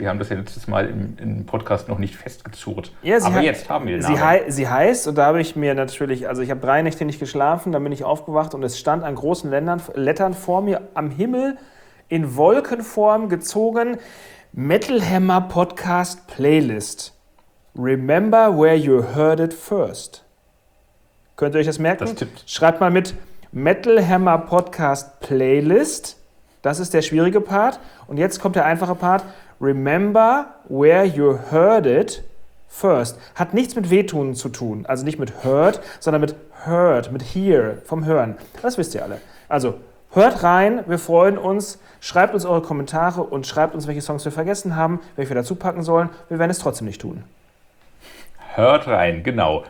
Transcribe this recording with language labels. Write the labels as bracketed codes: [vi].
[de] Wir haben das ja letztes Mal im Podcast noch nicht festgezurrt. Ja, jetzt haben wir den Namen. Sie heißt, und da habe ich mir natürlich, also ich habe 3 Nächte nicht geschlafen, dann bin ich aufgewacht und es stand an großen Lettern vor mir am Himmel, in Wolkenform gezogen, Metalhammer Podcast Playlist. [en] Remember where you heard it first. [de] Könnt ihr euch das merken? Das tippt. Schreibt mal mit Metalhammer Podcast Playlist. Das ist der schwierige Part. Und jetzt kommt der einfache Part. [en] Remember where you heard it first. [de] Hat nichts mit Wehtun zu tun. Also nicht mit heard, sondern mit heard, mit hear, vom Hören. Das wisst ihr alle. Also hört rein, wir freuen uns. Schreibt uns eure Kommentare und schreibt uns, welche Songs wir vergessen haben, welche wir dazu packen sollen. Wir werden es trotzdem nicht tun. Hört rein, genau.